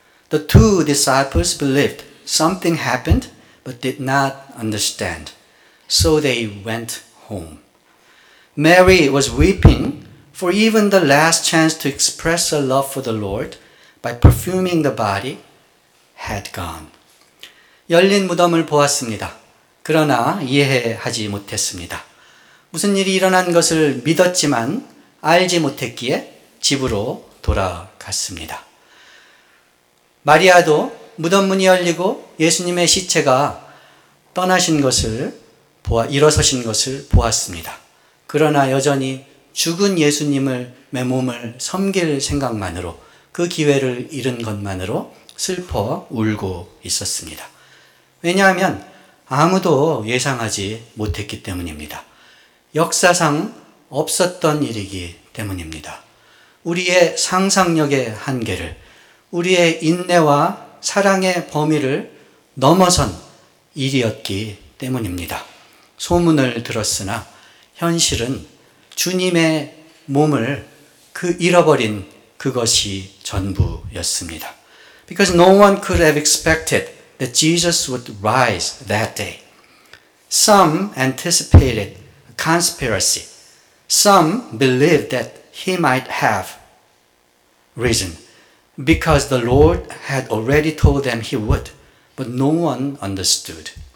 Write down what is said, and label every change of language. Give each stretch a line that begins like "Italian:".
English: The two disciples believed something happened, but did not understand. So they went home. Mary was weeping for even the last chance to express her love for the Lord by perfuming the body had gone.
Korean: 열린 무덤을 보았습니다. 그러나 이해하지 못했습니다. 무슨 일이 일어난 것을 믿었지만 알지 못했기에 집으로 돌아갔습니다. 마리아도 무덤 문이 열리고 예수님의 시체가 떠나신 것을 보아 일어서신 것을 보았습니다. 그러나 여전히 죽은 예수님을 맨몸을 섬길 생각만으로 그 기회를 잃은 것만으로 슬퍼 울고 있었습니다. 왜냐하면 아무도 예상하지 못했기 때문입니다. 역사상 없었던 일이기 때문입니다. 우리의 상상력의 한계를, 우리의 인내와 사랑의 범위를 넘어선 일이었기 때문입니다. 소문을 들었으나 현실은 주님의 몸을 그 잃어버린 그것이 전부였습니다.
English: Because no one could have expected that Jesus would rise that day. Some anticipated a conspiracy. Some believed that he might have risen because the Lord had already told them he would, but no one understood.